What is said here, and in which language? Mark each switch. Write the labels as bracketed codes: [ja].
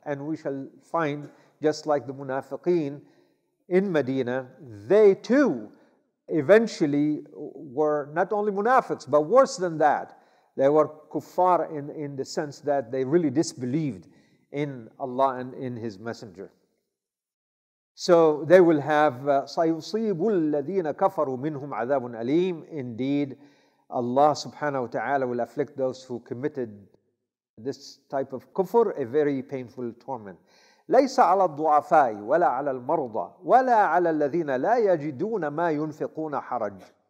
[en] And we shall find, just like the munafiqeen in Medina, they too eventually were not only munafiqs, but worse than that. They were kuffar in the sense that they really disbelieved in Allah and in His Messenger. So they will have [ar] سَيُصِيبُ الَّذِينَ كَفَرُوا مِنْهُمْ عَذَابٌ أَلِيمٌ. [en] Indeed, Allah subhanahu wa ta'ala will afflict those who committed this type of kufr, a very painful torment. [ar] لَيْسَ عَلَى الضُّعَفَاءِ وَلَا عَلَى الْمَرْضَى وَلَا عَلَى الَّذِينَ لَا يَجِدُونَ مَا يُنْفِقُونَ حَرَجٌ.